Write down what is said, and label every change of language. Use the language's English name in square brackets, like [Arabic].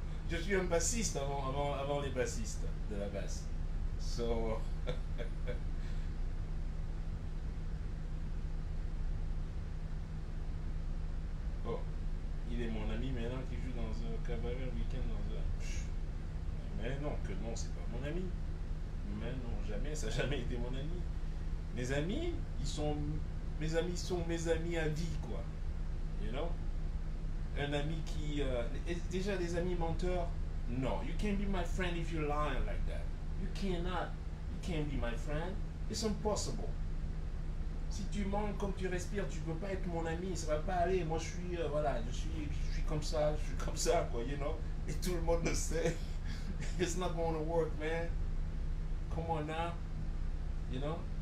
[French] Je suis un bassiste avant les bassistes de la basse, so bon, il est mon ami maintenant qui joue dans un cabaret le week-end dans un... Mais non, que non, c'est pas mon ami. Mais non, jamais, ça n'a jamais été mon ami. Mes amis, ils sont mes amis à vie, quoi. [English] You know? [French] Un ami qui... déjà, des amis menteurs? [English] Non, you can't be my friend if you lie like that. You cannot. You can't be my friend. It's impossible. [French] Si tu mens comme tu respires, tu ne peux pas être mon ami. Ça ne va pas aller. Moi, je suis comme ça, quoi, [English] you know? [French] Et tout le monde le sait. [English] It's not going to work, man. Come on now. You know?